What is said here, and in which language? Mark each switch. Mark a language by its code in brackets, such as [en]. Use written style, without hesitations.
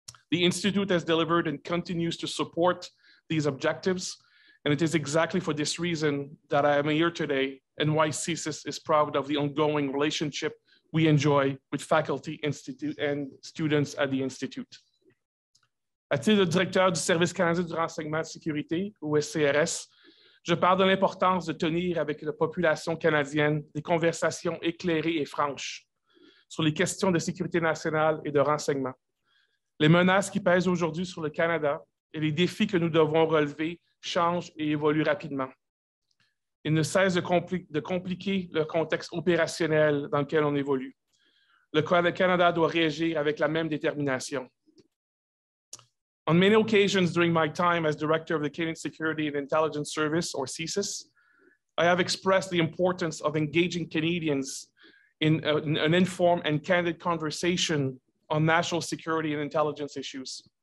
[en] The Institute has delivered and continues to support these objectives. And it is exactly for this reason that I am here today and why CSIS is proud of the ongoing relationship we enjoy with faculty, institute, and students at the Institute. [fr] À titre directeur du Service canadien du renseignement de sécurité, ou SCRS, je parle de l'importance de tenir avec la population canadienne des conversations éclairées et franches sur les questions de sécurité nationale et de renseignement. Les menaces qui pèsent aujourd'hui sur le Canada et les défis que nous devons relever change et évolue rapidement. Il ne cesse de compliquer le contexte opérationnel dans lequel on évolue. Le Canada doit réagir avec la même détermination. [en] On many occasions during my time as Director of the Canadian Security and Intelligence Service, or CSIS, I have expressed the importance of engaging Canadians in an informed and candid conversation on national security and intelligence issues.